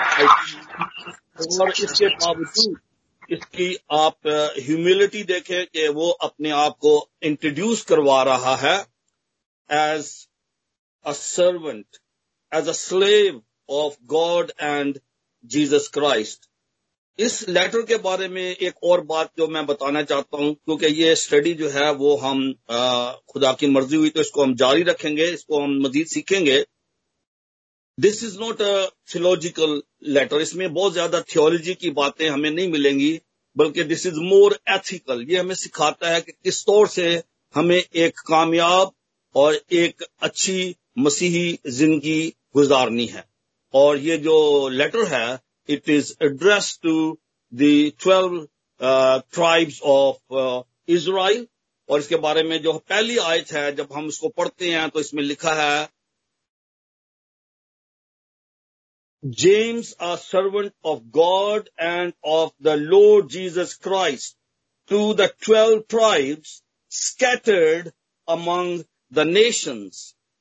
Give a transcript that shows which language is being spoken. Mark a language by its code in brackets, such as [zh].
[ur] اور اس کے باوجود اس کی آپ ہیوملٹی دیکھیں کہ وہ اپنے آپ کو انٹروڈیوس کروا رہا ہے [en] As a servant, as a slave of God and Jesus Christ. [ur] اس letter کے بارے میں ایک اور بات جو میں بتانا چاہتا ہوں, کیونکہ یہ اسٹڈی جو ہے وہ ہم خدا کی مرضی ہوئی تو اس کو ہم جاری رکھیں گے, اس کو ہم مزید سیکھیں گے. [en] This is not a theological letter. [ur] اس میں بہت زیادہ تھیولوجی کی باتیں ہمیں نہیں ملیں گی, بلکہ [en] this is more ethical. [ur] یہ ہمیں سکھاتا ہے کہ کس طور سے ہمیں ایک کامیاب اور ایک اچھی مسیحی زندگی گزارنی ہے. اور یہ جو لیٹر ہے [en] it is addressed to the 12 tribes of Israel. [ur] اور اس کے بارے میں جو پہلی آیت ہے جب ہم اس کو پڑھتے ہیں تو اس میں لکھا ہے [en] James, a servant of God and of the Lord Jesus Christ, to the 12 tribes scattered among the nations.